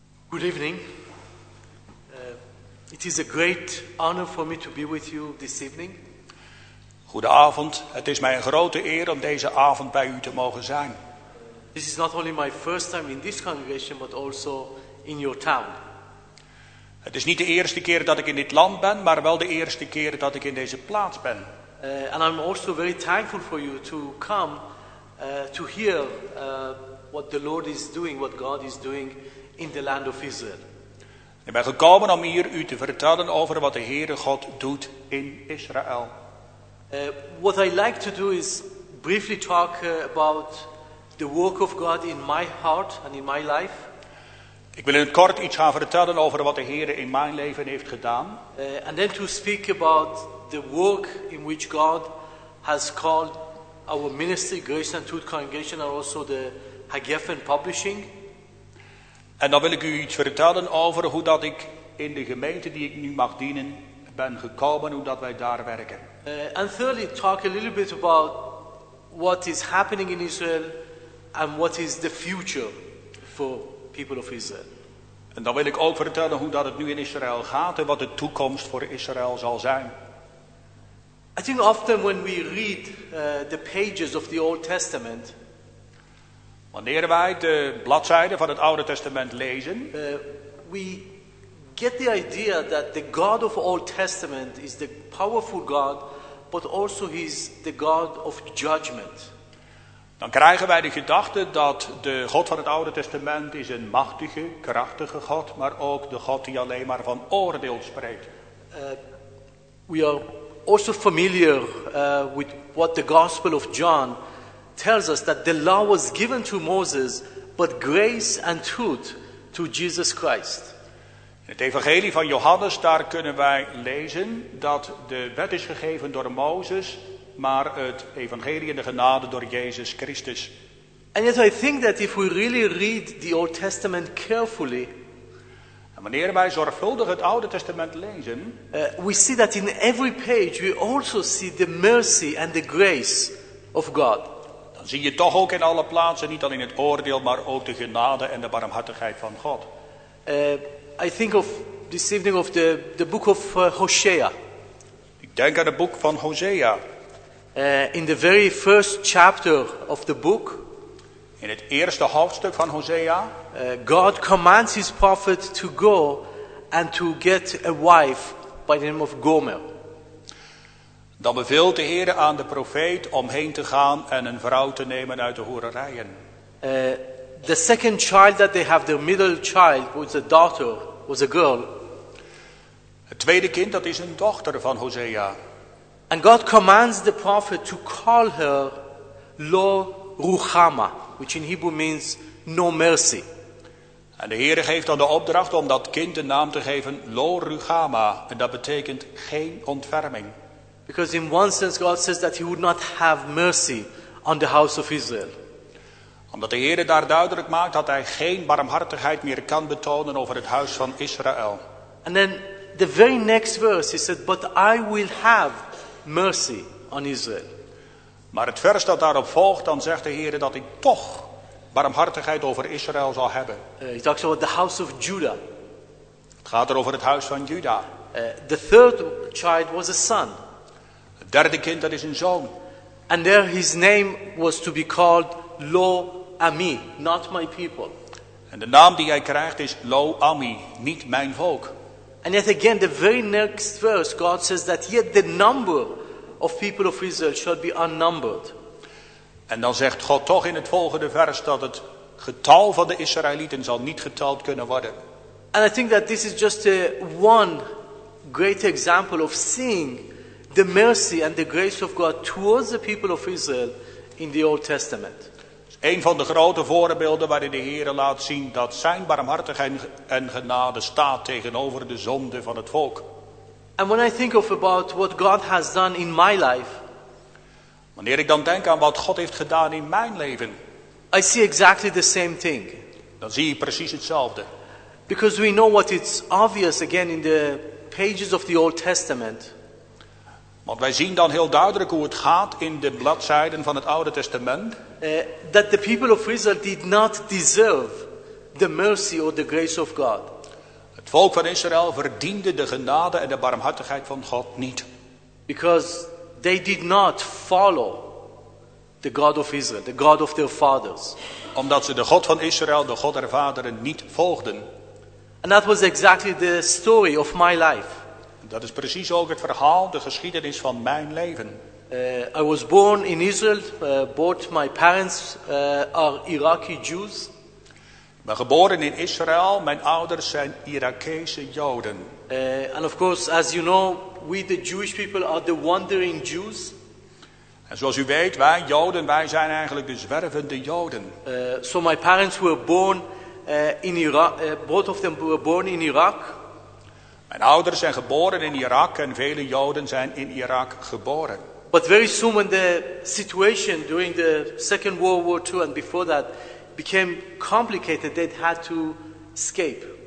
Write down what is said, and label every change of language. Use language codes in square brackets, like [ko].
[en] Good evening. It is a great honor for me to be with you this evening. [nl] Goedenavond. Het is mij een grote eer om deze avond bij u te mogen zijn. [en] This is not only my first time in this congregation, but also in your town. [nl] Het is niet de eerste keer dat ik in dit land ben, maar wel de eerste keer dat ik in deze plaats ben. [en] And I'm also very thankful for you to come to hear what the Lord is doing, what God is doing. In the land of Israel. [nl] Ik ben gekomen om hier u te vertellen over wat de Heere God doet in Israël. [en] What I like to do is briefly talk about the work of God in my heart and in my life. [nl] Ik wil in het kort iets gaan vertellen over wat de Heere in mijn leven heeft gedaan. [en] And then to speak about the work in which God has called our ministry, Grace and Truth Congregation, and also the Hagefen Publishing. [nl] En dan wil ik u iets vertellen over hoe dat ik in de gemeente die ik nu mag dienen ben gekomen, hoe dat wij daar werken. [en] And thirdly, talk a little bit about what is happening in Israel and what is the future for people of Israel. [nl] En dan wil ik ook vertellen hoe dat het nu in Israël gaat en wat de toekomst voor Israël zal zijn. [en] I think often when we read the pages of the Old Testament, [nl] wanneer wij de bladzijden van het Oude Testament lezen, [en] we get the idea that the God of Old Testament is the powerful God, but also he's the God of judgment. [nl] Dan krijgen wij de gedachte dat de God van het Oude Testament is een machtige, krachtige God, maar ook de God die alleen maar van oordeel spreekt. [en] We are also familiar with what the Gospel of John tells us, that the law was given to Moses, but grace and truth to Jesus Christ. [nl] In het Evangelie van Johannes, daar kunnen wij lezen dat de wet is gegeven door Mozes, maar het Evangelie en de genade door Jezus Christus. [en] And yet I think that if we really read the Old Testament carefully, [nl] wanneer wij zorgvuldig het Oude Testament lezen, [en] we see that in every page we also see the mercy and the grace of God. [nl] Dan zie je toch ook in alle plaatsen, niet alleen het oordeel, maar ook de genade en de barmhartigheid van God. [en] I think of this evening of the book of Hosea. [nl] Ik denk aan het boek van Hosea. [en] In the very first chapter of the book, [nl] in het eerste hoofdstuk van Hosea, [en] God commands his prophet to go and to get a wife by the name of Gomer. [nl] Dan beveelt de Heer aan de profeet om heen te gaan en een vrouw te nemen uit de hoererijen. [en] The second child that they have, their middle child, was a daughter, was a girl. [nl] Het tweede kind, dat is een dochter van Hosea. [en] And God commands the prophet to call her Lo Ruhama, which in Hebrew means no mercy. [nl] En de Heer geeft dan de opdracht om dat kind de naam te geven Lo Ruhama, en dat betekent geen ontferming. [en] Because in one sense God says that he would not have mercy on the house of Israel. [nl] Omdat de Heer daar duidelijk maakt dat hij geen barmhartigheid meer kan betonen over het huis van Israël. [en] And then the very next verse he said, but I will have mercy on Israel. [nl] Maar het vers dat daarop volgt, dan zegt de Heer dat hij toch barmhartigheid over Israël zal hebben. [en] He talks about the house of Judah. [nl] Het gaat er over het huis van Juda. [en] The third child was a son. [nl] Het derde kind, dat is een zoon. [en] And there his name was to be called Lo Ami, not my people. [nl] En de naam die hij krijgt is Lo Ami, niet mijn volk. [en] And yet again, the very next verse, God says that yet the number of people of Israel shall be unnumbered. [nl] En dan zegt God toch in het volgende vers dat het getal van de Israëlieten zal niet geteld kunnen worden. [en] And I think that this is just one great example of seeing the mercy and the grace of God towards the people of Israel in the Old Testament. [nl] Een van de grote voorbeelden waarin de Heer laat zien dat zijn barmhartigheid en genade staat tegenover de zonde van het volk. [en] And when I think of about what God has done in my life, [nl] wanneer ik dan denk aan wat God heeft gedaan in mijn leven, [en] I see exactly the same thing. [nl] Dan zie ik precies hetzelfde. [en] Because we know what it's obvious again in the pages of the Old Testament. [nl] Want wij zien dan heel duidelijk hoe het gaat in de bladzijden van het Oude Testament. [en] That the people of Israel did not deserve the mercy or the grace of God. [nl] Het volk van Israël verdiende de genade en de barmhartigheid van God niet. [en] Because they did not follow the God of Israel, the God of their fathers. [nl] Omdat ze de God van Israël, de God der vaderen, niet volgden. [en] And that was exactly the story of my life. [nl] Dat is precies ook het verhaal, de geschiedenis van mijn leven. [en] I was born in Israel. Both my parents are Iraqi Jews. [nl] Ik ben geboren in Israël. Mijn ouders zijn Irakese Joden. [en] And of course, as you know, we the Jewish people are the wandering Jews. [nl] En zoals u weet, wij Joden, wij zijn eigenlijk de zwervende Joden. [en] So my parents were born in Iraq. Both of them were born in Iraq. [nl] Mijn ouders zijn geboren in Irak en vele Joden zijn in Irak geboren. [en] But very soon when the situation during the Second World War II and before that became complicated, they had to escape.